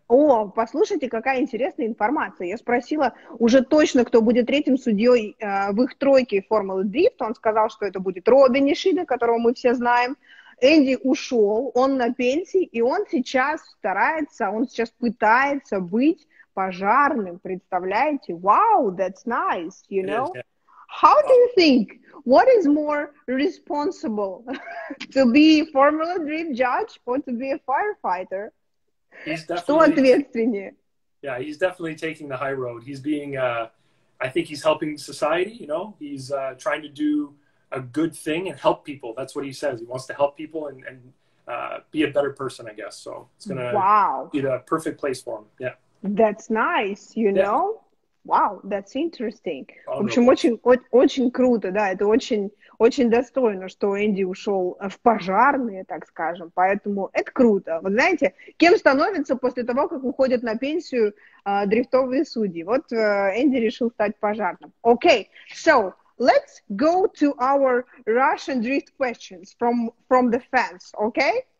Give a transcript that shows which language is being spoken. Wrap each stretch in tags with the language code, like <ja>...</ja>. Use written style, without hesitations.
<ru>О, послушайте, какая интересная информация. Я спросила уже точно, кто будет третьим судьей в их тройке Формулы Дрифт. Он сказал, что это будет Робби Нишида, которого мы все знаем. Энди ушел, он на пенсии, и он сейчас старается, он сейчас пытается быть пожарным, представляете?</ru> <en>Wow, that's nice, you know? How do you think, what is more responsible, to be a Formula Drift judge or to be a firefighter?</en> <ru>Что ответственнее?</ru> <en>Yeah, he's definitely taking the high road. He's being, I think he's helping society, you know? He's trying to do a good thing and help people. That's what he says. He wants to help people and be a better person, I guess. So it's going to be the perfect place for him. Yeah. That's nice, you know? Wow, that's interesting.</en> <ru>В общем, очень круто, да, это очень достойно, что Энди ушел в пожарные, так скажем, поэтому это круто. Вот знаете, кем становится после того, как уходят на пенсию дрифтовые судьи? Вот Энди решил стать пожарным.</ru> <en>Okay, so let's go to our Russian drift questions from the fans, okay?</en>